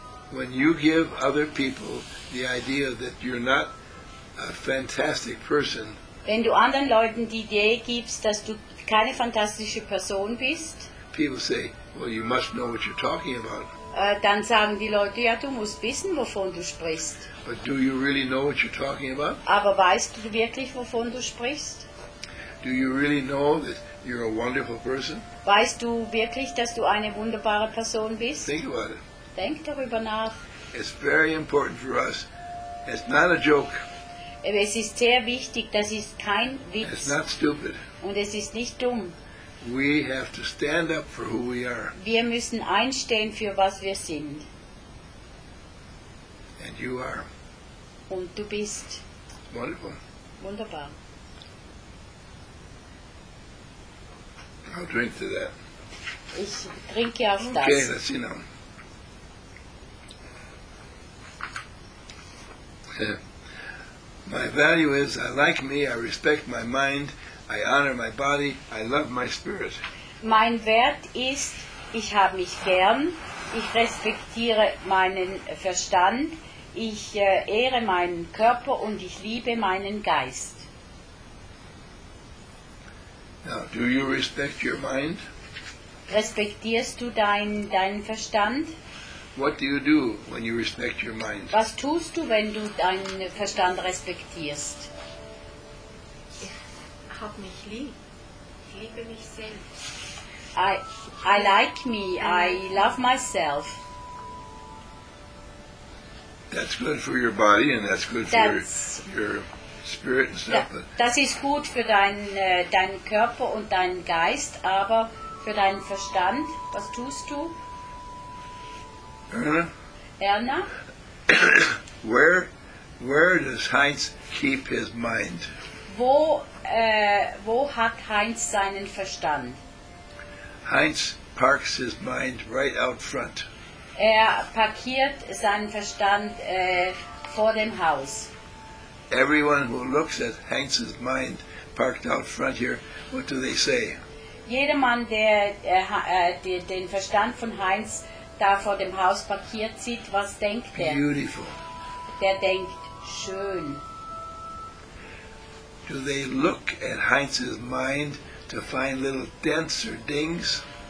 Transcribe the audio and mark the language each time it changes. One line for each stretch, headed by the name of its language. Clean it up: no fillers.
English: When you give other people the idea that you're not a fantastic person.
German: Wenn du anderen Leuten die Idee gibst, dass du keine fantastische Person bist.
English: People say, well, you must know what you're talking about.
German: Dann sagen die Leute, ja, du musst wissen, wovon du sprichst.
English: But do you really know what you're talking about?
German: Aber weißt du wirklich, wovon du sprichst?
English: Do you really know that you're a wonderful person?
German: Weißt du wirklich, dass du eine wunderbare Person bist?
English: Think about it.
German: Denk darüber nach.
English: It's very important for us. It's not a joke.
German: Es ist sehr wichtig, das ist kein Witz.
English: It's not stupid.
German: Und es ist nicht dumm.
English: We have to stand up for who we are.
German: Wir müssen einstehen für was wir sind.
English: And you are.
German: Und du bist.
English: Wonderful.
German: Wunderbar.
English: I'll drink to that.
German: Ich trinke auf okay, das.
English: Okay, let's see now. My value is, I like me, I respect my mind, I honor my body, I love my spirit.
German: Mein Wert ist, ich habe mich gern, ich respektiere meinen Verstand, ich ehre meinen Körper und ich liebe meinen Geist.
English: Now, do you respect your mind?
German: Respektierst du deinen Verstand?
English: What do you do when you respect your mind?
German: Was tust du, wenn du deinen Verstand respektierst? Ich hab mich lieb. Ich liebe mich selbst.
English: I like me. I love myself. That's good for your body and that's good for your spirit and stuff.
German: Das ist gut für deinen Körper und deinen Geist, aber für deinen Verstand, was tust du?
English: Erna? Where does Heinz keep his mind?
German: Wo hat Heinz seinen Verstand?
English: Heinz parks his mind right out front.
German: Er parkiert seinen Verstand vor dem Haus.
English: Everyone who looks at Heinz's mind parked out front here, what do they say?
German: Jedermann, der den Verstand von Heinz da vor dem Haus parkiert sieht, was denkt er?
English: Beautiful.
German: Der denkt, schön.
English: Do they look at Heinz's mind to find little dents or dings?